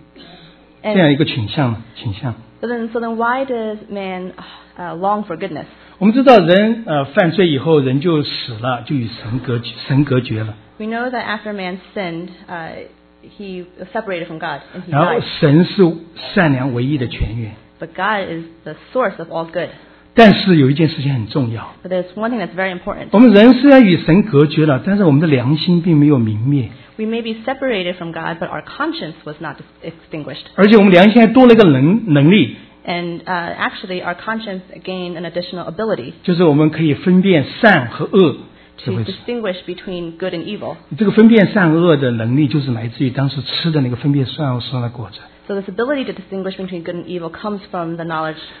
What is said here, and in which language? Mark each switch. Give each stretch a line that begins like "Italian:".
Chinese: 那么我们为什么人会向往善良这样一个倾向呢？
English: So then why does man long for goodness?
Chinese: 我们知道人 犯罪以后, 人就死了, 就与神隔, 神隔绝了。
English: We know that after man sinned, he was separated from God. And
Chinese: 然后神是善良唯一的泉源。
English: But God is the source of all good.
Chinese: 但是有一件事情很重要。
English: But there's one thing that's very important.
Chinese: 我们人虽然与神隔绝了, 但是我们的良心并没有泯灭。
English: We may be separated from God, but our conscience was not extinguished.
Chinese: 而且我们良心还多了一个能力。
English: And actually, our conscience gained an additional ability.
Chinese: 就是我们可以分辨善和恶。
English: To distinguish between good and evil.
Chinese: 这个分辨善恶的能力就是来自于当时吃的那个分辨善恶树上的果子。
English: So this ability to distinguish between good and evil comes from the knowledge.